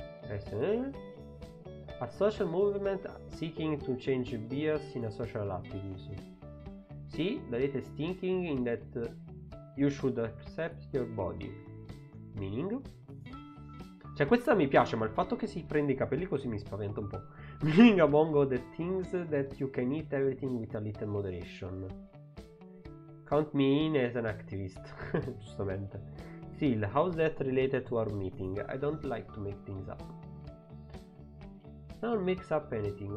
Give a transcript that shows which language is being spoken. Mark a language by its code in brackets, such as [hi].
[en] A social movement seeking to change bias in a social attitude. See, the latest thinking in that you should accept your body. Meaning? [it] Cioè, questa mi piace, ma il fatto che si prende i capelli così mi spaventa un po'. [en] Meaning among all the things that you can eat everything with a little moderation. Count me in as an activist. [it] Giustamente. [en] Still, how's that related to our meeting? I don't like to make things up. Don't mix up anything.